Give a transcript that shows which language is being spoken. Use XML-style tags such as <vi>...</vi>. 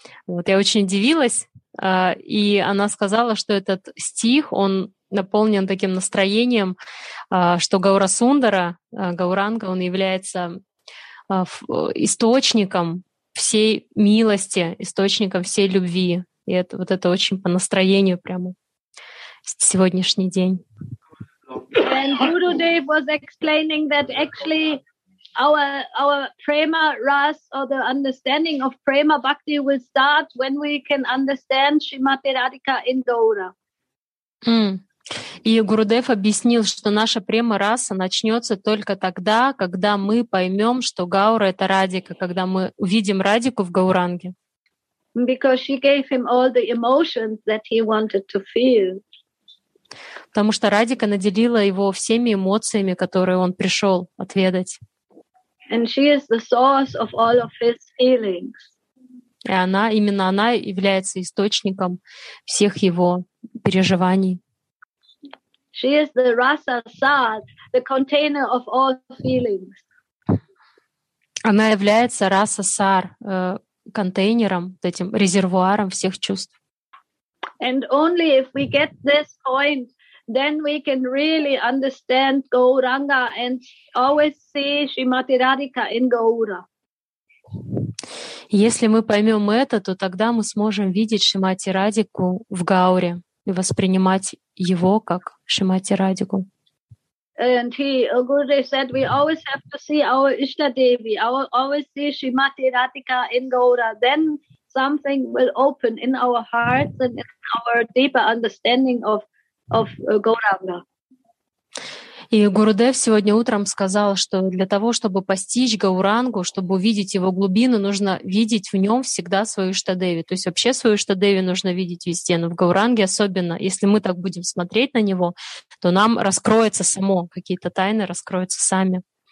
<ru>Вот, я очень удивилась, и она сказала, что этот стих, он наполнен таким настроением, что Гаурасундара, Гауранга, он является источником всей милости, источником всей любви. И это, вот это очень по настроению прямо сегодняшний день.</ru> <en>And Gurudev was explaining that actually our prema ras, or the understanding of prema bhakti, will start when we can understand Shrimati Radhika in Gaura.</en> <ru>И Гурудев объяснил, что наша према-раса начнется только тогда, когда мы поймем, что Гаура — это Радика, когда мы увидим Радику в Гауранге.</ru> <en>Because she gave him all the emotions that he wanted to feel.</en> <ru>Потому что Радика наделила его всеми эмоциями, которые он пришел отведать.</ru> <en>And she is the source of all of his feelings.</en> <ru>И она, именно она является источником всех его переживаний.</ru> <en>She is the rasa sad, the container of all feelings.</en> <ru>Она является раса сар, контейнером, этим резервуаром всех чувств.</ru> <en>And only if we get this point, then we can really understand Gauranga and always see Shrimati Radhika in Gaura.</en> <ru>Если мы поймем это, то тогда мы сможем видеть Шримати Радику в Гауре и воспринимать его как Шримати Радику.</ru> <en>And he, Gurudev said, we always have to see our Ishta Devi, always see Shrimati Radhika in Gaura. Then something will open in our hearts and in our deeper understanding of Gauranga.</en> <ru>И Гурудев сегодня утром сказал, что для того, чтобы постичь Гаурангу, чтобы увидеть его глубину, нужно видеть в нем всегда свою Иштадеви. То есть вообще свою Иштадеви нужно видеть везде, но в Гауранге особенно. Если мы так будем смотреть на него, то нам раскроется само, какие-то тайны раскроются сами.</ru>